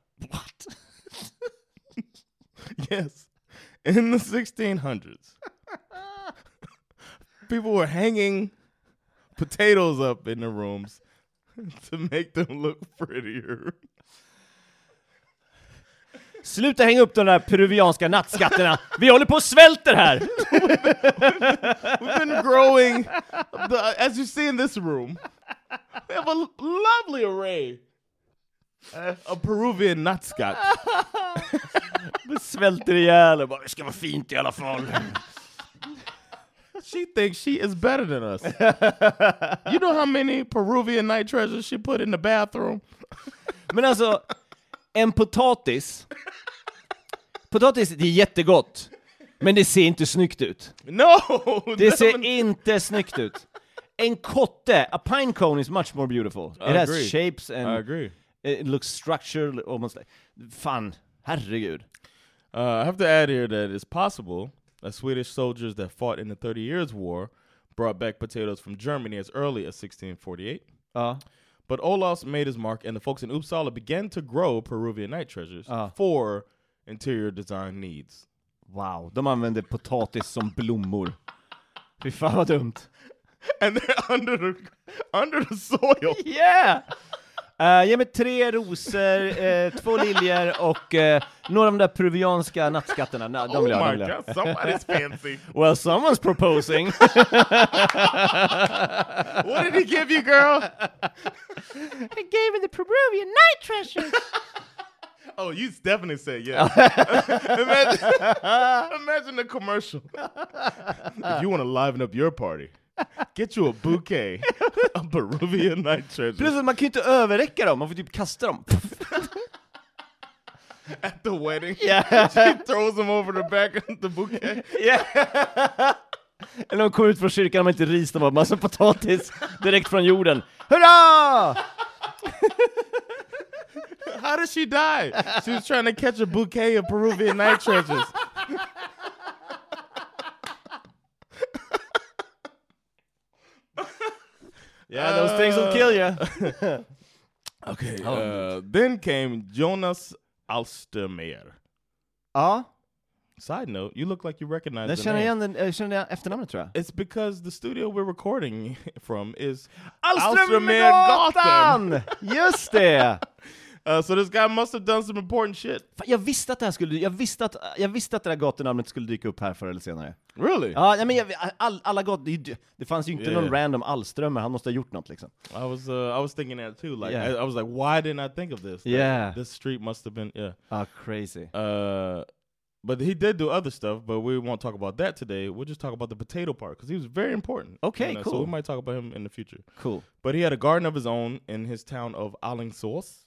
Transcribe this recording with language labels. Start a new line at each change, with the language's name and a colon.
English: What? Yes. In the 1600s, people were hanging potatoes up in the rooms to make them look prettier.
Swedish: Sluta hänga upp de där peruvianska nattskatterna. Vi håller på och svälter här.
English: We've been growing, as you see in this room, we have a lovely array of Peruvian nattskatt.
Swedish: Vi svälter ihjäl och bara, det ska vara fint i alla fall.
English: She thinks she is better than us. You know how many Peruvian night treasures she put in the bathroom?
Swedish: Men alltså, en potatis. Potatis, det är jättegott. Men det ser inte snyggt ut.
English: No!
Swedish: Det ser inte snyggt ut. En kotte,
English: a pine cone is much more beautiful. It has shapes and I agree. It looks structured almost like.
Swedish: Fan, herregud.
English: I have to add here that it's possible that Swedish soldiers that fought in the 30 Years' War brought back potatoes from Germany as early as 1648. But Olaus made his mark, and the folks in Uppsala began to grow Peruvian night treasures for interior design needs.
Swedish: Wow, de använde potatis som blommor. Fy fan vad dumt.
English: And they're under the soil. Yeah!
Swedish: Ge mig tre rosor, två liljor och några av de där peruvianska nattskatterna. De vill oh jag,
English: my god, somebody's fancy. Well, someone's proposing. What did he give you, girl? I gave him the Peruvian night treasures. Oh, you definitely said yes. imagine the commercial. If you want to liven up your party, get you a bouquet of Peruvian night treasures.
Swedish: Plus att man kan inte överräcka dem. Man får typ kasta dem.
English: At the wedding. Yeah. She throws them over the back of the bouquet. Yeah.
Swedish: Eller de kommer ut från kyrkan och inte ris. De har massa potatis direkt från jorden. Hurra!
English: How did she die? She was trying to catch a bouquet of Peruvian night treasures. Yeah, those things will kill you. Okay. Then came Jonas Alstermeer. Ah? Side note, you look like you recognize
Swedish: den
English: the name.
Swedish: Igen den, jag känner igen efternamnet, tror jag.
English: It's because the studio we're recording from is
Swedish: Alstermergatan! Just det!
English: So this guy must have done some important shit.
Swedish: Jag visste att det här gatunamnet skulle dyka upp här förr eller senare.
English: Really?
Swedish: Ja, men alla gott, det fanns ju inte någon random Allströmer, han måste ha gjort något liksom.
English: I was thinking that too, like, I was like, why didn't I think of this? Yeah. This street must have been, Crazy. But he did do other stuff, but we won't talk about that today. We'll just talk about the potato part, because he was very important. Okay, cool. So we might talk about him in the future. Cool. But he had a garden of his own in his town of Alingsås.